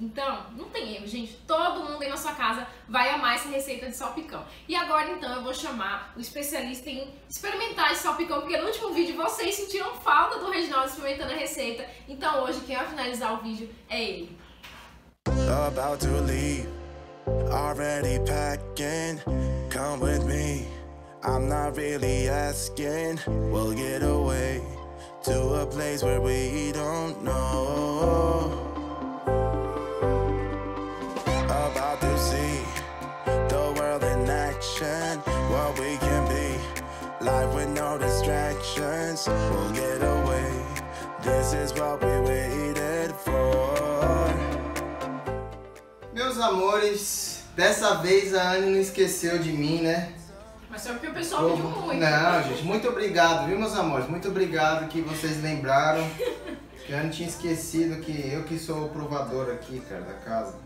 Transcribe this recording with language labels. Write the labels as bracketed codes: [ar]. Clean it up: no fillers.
[pt] Então, não tem erro, gente. Todo mundo aí na sua casa vai amar essa receita de salpicão. E agora, então, eu vou chamar o especialista em experimentar esse salpicão, porque no último vídeo vocês sentiram falta do Reginaldo experimentando a receita. Então, hoje, quem vai finalizar o vídeo é ele. [en] About to leave. Already packing, come with me. I'm not really asking. We'll get away to a place where we don't know. About to see the world in action. What we can be, life with no distractions. We'll get away, this is what we waited for. [pt] Meus amores, dessa vez a Anne não esqueceu de mim, né? Mas é porque o pessoal pediu muito. Não, gente, muito obrigado, viu, meus amores? Muito obrigado que vocês lembraram. Que a Anne tinha esquecido que eu que sou o provador aqui, cara, da casa.